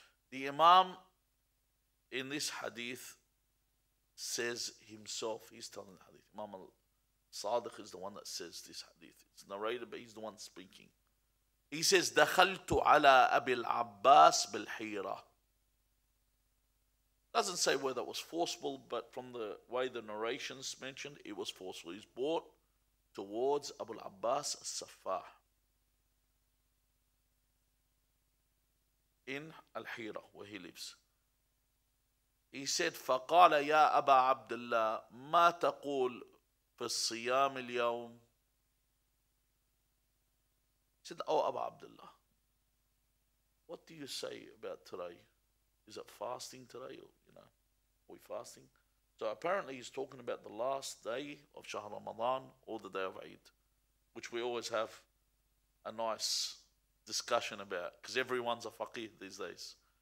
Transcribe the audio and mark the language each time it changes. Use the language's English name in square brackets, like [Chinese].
[English] The Imam in this hadith says himself, he's telling the hadith. Imam al-Sadiq is the one that says this hadith. It's narrated, but he's the one speaking. He says, [Arabic] دَخَلْتُ عَلَىٰ أَبِي الْعَبَّاسِ بِالْحِيرَةِ. [English] Doesn't say whether it was forceful, but from the way the narration's mentioned, it was forceful. He's brought towards Abu al-Abbas al-Saffah. In Al-Hira, where he lives. He said, [Arabic] فَقَالَ يَا أَبَا عَبْدِ اللَّهِ مَا تَقُولُ فِي الصِّيَامِ الْيَوْمِ. [English] He said, oh, Abu Abdullah, what do you say about today? Is it fasting today? Or, you know, are we fasting? So apparently he's talking about the last day of Shah Ramadan or the day of Eid, which we always have a nice discussion about, because everyone's a faqih these days.